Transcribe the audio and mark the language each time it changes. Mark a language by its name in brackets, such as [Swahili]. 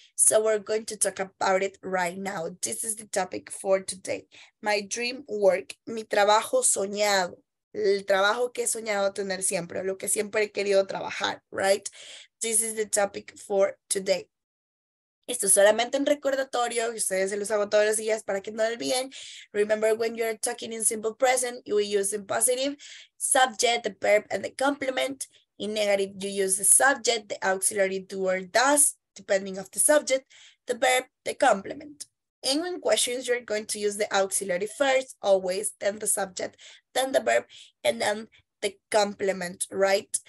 [English] So we're going to talk about it right now. This is the topic for today. My dream work, [Spanish] mi trabajo soñado. El trabajo que he soñado tener siempre, lo que siempre he querido trabajar, right? [English] This is the topic for today. [Spanish] Esto es solamente un recordatorio, y ustedes se los hago todos los días para que no lo olviden. [English] Remember when you're talking in simple present, you will use in positive subject, the verb, and the complement. In negative, you use the subject, the auxiliary do or does, depending of the subject, the verb, the complement. And when questions, you're going to use the auxiliary first, always, then the subject, then the verb, and then the complement, right?